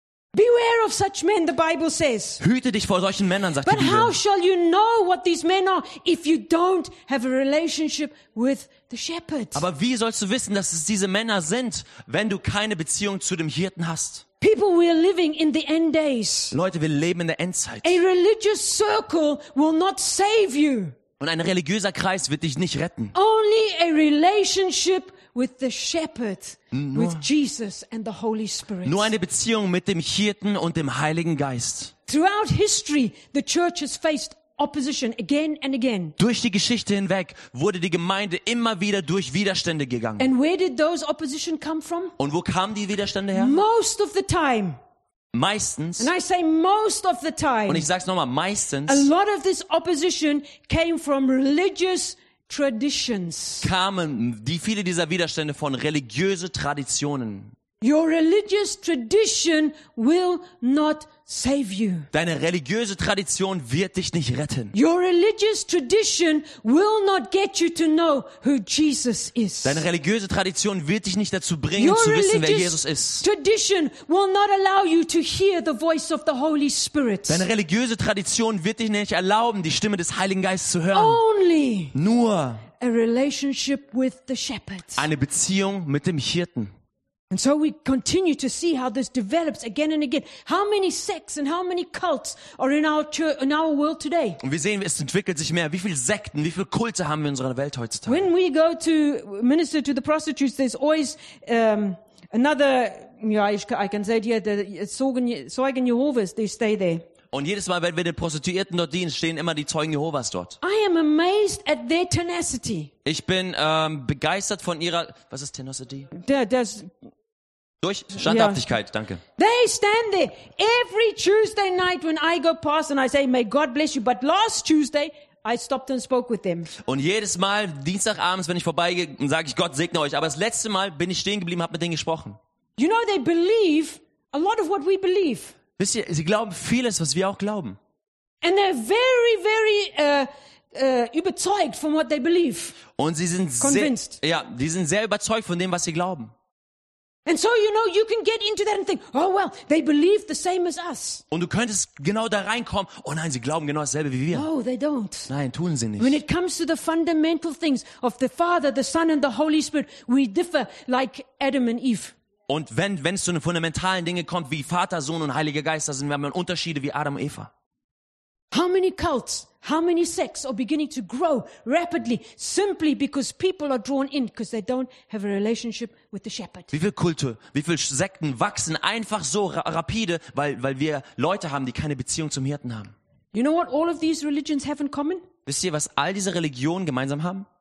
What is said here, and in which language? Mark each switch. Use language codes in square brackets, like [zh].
[en] Beware of such men, the Bible says. [de] Hüte dich vor solchen Männern, sagt [en] but [de] die Bibel. [en] How shall you know what these men are if you don't have a relationship with the shepherd? [de] Aber wie sollst du wissen, dass es diese Männer sind, wenn du keine Beziehung zu dem Hirten hast? [en] People, we are living in the end days. [de] Leute, wir leben in der Endzeit. [en] A religious circle will not save you. [de] Und ein religiöser Kreis wird dich nicht retten. [en] Only a relationship with the shepherd, with Jesus and the Holy Spirit. [de] Nur eine Beziehung mit dem Hirten und dem Heiligen Geist. [en] Throughout history, the church has faced opposition again and again. [de] Durch die Geschichte hinweg wurde die Gemeinde immer wieder durch Widerstände gegangen. [en] And where did those opposition come from? [de] Und wo kamen die Widerstände her? [en] Most of the time. [de] Meistens. [en] And I say most of the time. [de] Und ich sag's nochmal, meistens. [en] A lot of this opposition came from religious traditions. [de] Kamen die viele dieser Widerstände von religiöse Traditionen. [en] Your religious tradition will not save you. [de] Deine religiöse Tradition wird dich nicht retten. [en] Your religious tradition will not get you to know who Jesus is. [de] Deine religiöse Tradition wird dich nicht dazu bringen, zu wissen, wer Jesus ist. [en] Your tradition will not allow you to hear the voice of the Holy Spirit. [de] Deine religiöse Tradition wird dich nicht erlauben, die Stimme des Heiligen Geistes zu hören. [en] Only. [de] Nur. [en] A relationship with the shepherd. [de] Eine Beziehung mit dem Hirten. [en] And so we continue to see how this develops again and again. How many sects and how many cults are in our church, in our world today? [de] Und wir sehen, es entwickelt sich mehr. Wie viele Sekten, wie viele Kulte haben wir in unserer Welt heutzutage? [en] When we go to minister to the prostitutes, there's always another. Yeah, I can say it here. The Zeugen Jehovas, they stay there. [de] Und jedes Mal, wenn wir den Prostituierten dort dienen, stehen immer die Zeugen Jehovas dort. [en] I am amazed at their tenacity. [de] Ich bin begeistert von ihrer, was ist Tenacity? Durchstandhaftigkeit, danke. [en] They stand there every Tuesday night when I go past and I say, may God bless you. But last Tuesday, I stopped and spoke with them. [de] Und jedes Mal, Dienstagabends, wenn ich vorbeigehe, sage ich, Gott segne euch. Aber das letzte Mal bin ich stehen geblieben, habe mit denen gesprochen. [en] You know, they believe a lot of what we believe. [de] Wisst ihr, sie glauben vieles, was wir auch glauben. [en] And they're very, very [de] überzeugt von [en] what they believe. [de] Und sie sind [en] convinced. [de] Die sind sehr überzeugt von dem, was sie glauben. [en] And so you know, you can get into that and think, oh well, they believe the same as us. [de] Und du könntest genau da reinkommen. Oh nein, sie glauben genau dasselbe wie wir. [en] No, they don't. [de] Nein, tun sie nicht. [en] When it comes to the fundamental things of the Father, the Son and the Holy Spirit, we differ like Adam and Eve. [de] Und wenn es zu den fundamentalen Dingen kommt, wie Vater, Sohn und Heiliger Geist, da sind wir haben Unterschiede wie Adam und Eva. [en] How many cults, how many sects are beginning to grow rapidly, simply because people are drawn in, because they don't have a relationship with the shepherd. [de] Wie viel Kulte, wie viel Sekten wachsen einfach so rapide, weil wir Leute haben, die keine Beziehung zum Hirten haben. [en] You know what all of these religions have in common? [de] Wisst ihr, was all diese Religionen gemeinsam haben?